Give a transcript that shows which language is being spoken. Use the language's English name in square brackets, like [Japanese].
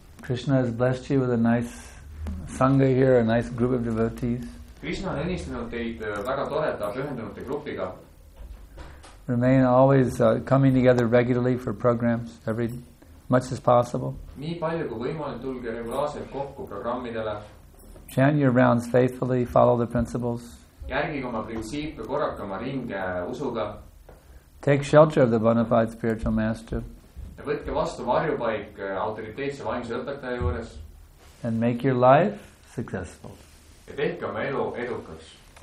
[English] Krishna has blessed you with a nice sangha here, a nice group of devotees. [Estonian] Krishna on õnnistanud teid väga toreda pühendunute grupiga. [English] Remain always coming together regularly for programs every much as possible. [Estonian] Nii palju kui võimalik tulge regulaarselt kokku programmidele. [English] Chant your rounds faithfully, follow the principles. [Estonian] Järgige oma printsiipe, korrake oma ringe usuga. [English] Take shelter of the bona fide spiritual master. [Estonian] Ja võtke vastu varjupaik autoriteetse vaimse õpetaja juures. [English] And make your life successful. [Estonian] Ja tehke oma elu edukaks.